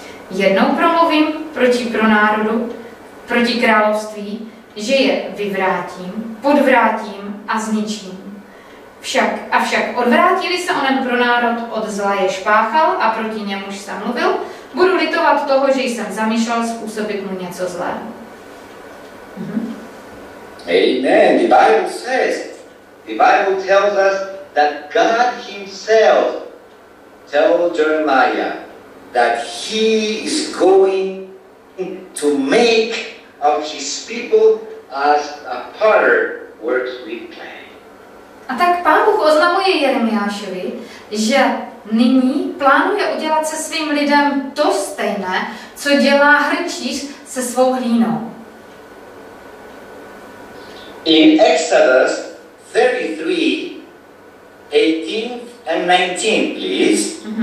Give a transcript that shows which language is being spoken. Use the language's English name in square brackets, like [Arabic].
[Czech] Jednou promluvím proti pronárodu, proti království, že je vyvrátím, podvrátím a zničím. Avšak odvrátili se onen pronárod od zla, jež páchal a proti němuž se mluvil, budu litovat toho, že jsem zamýšlel způsobit mu něco zlé. Amen. [English] The Bible says, the Bible tells us that God himself told Jeremiah that he is going to make of his people as a potter works with clay. [Czech] A tak Pán Bůh oznamuje Jeremiášovi, že nyní plánuje udělat se svým lidem to stejné, co dělá hrnčíř se svou hlínou. [English] In Exodus 33:18-19, please.